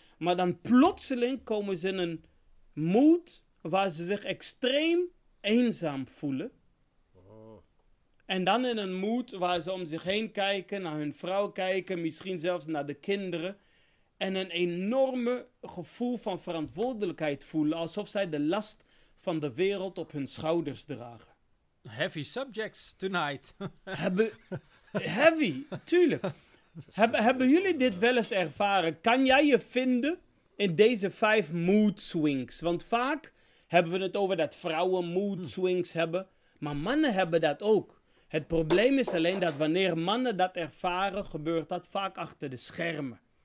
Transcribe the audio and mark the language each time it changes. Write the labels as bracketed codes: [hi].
[nl] Maar dan plotseling komen ze in een mood waar ze zich extreem eenzaam voelen. En dan in een mood waar ze om zich heen kijken, naar hun vrouw kijken, misschien zelfs naar de kinderen. En een enorme gevoel van verantwoordelijkheid voelen, alsof zij de last van de wereld op hun schouders dragen. [en] Heavy subjects tonight. [nl] Heavy, tuurlijk. Hebben jullie dit wel eens ervaren? Kan jij je vinden in deze 5 mood swings? Want vaak hebben we het over dat vrouwen mood swings hebben. Maar mannen hebben dat ook. Het probleem is alleen dat wanneer mannen dat ervaren, gebeurt dat vaak achter de schermen.